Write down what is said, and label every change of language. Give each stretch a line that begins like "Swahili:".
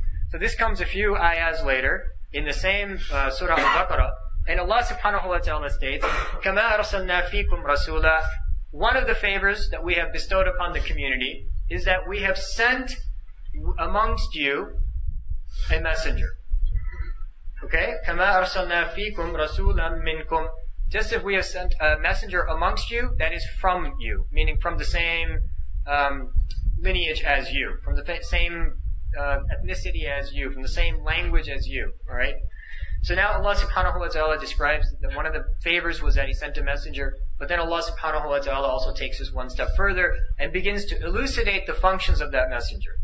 English: So this comes a few ayahs later, in the same surah Al-Baqarah, and Allah subhanahu wa ta'ala states,
Arabic: كَمَا أَرْسَلْنَا فِيكُمْ رَسُولًا.
English: One of the favors that we have bestowed upon the community is that we have sent amongst you a messenger. Okay,
Arabic: كَمَا أَرْسَلْنَا فِيكُمْ رَسُولًا مِّنْكُمْ.
English: Just as we have sent a messenger amongst you, that is from you, meaning from the same lineage as you, from the same ethnicity as you, from the same language as you, all right? So now Allah subhanahu wa ta'ala describes that one of the favors was that he sent a messenger, but then Allah subhanahu wa ta'ala also takes this one step further and begins to elucidate the functions of that messenger.